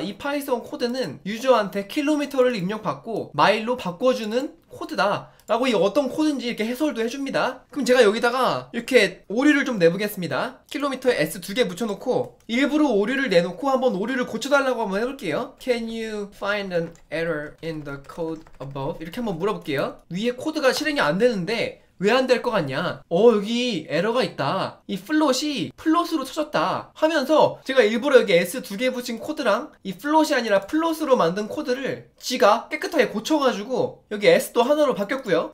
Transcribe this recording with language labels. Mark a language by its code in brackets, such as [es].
[ko] 이 파이썬 코드는 유저한테 킬로미터를 입력받고 마일로 바꿔주는 코드다 라고 이 어떤 코드인지 이렇게 해설도 해줍니다. 그럼 제가 여기다가 이렇게 오류를 좀 내보겠습니다. 킬로미터에 S 두 개 붙여놓고 일부러 오류를 내놓고 한번 오류를 고쳐달라고 한번 해볼게요. [en] Can you find an error in the code above? [ko] 이렇게 한번 물어볼게요. 위에 코드가 실행이 안 되는데 왜 안 될 것 같냐? 여기 에러가 있다. 이 플롯이 플롯으로 쳐졌다 하면서 제가 일부러 여기 S 두 개 붙인 코드랑 이 플롯이 아니라 플롯으로 만든 코드를 지가 깨끗하게 고쳐가지고 여기 S도 하나로 바뀌었고요.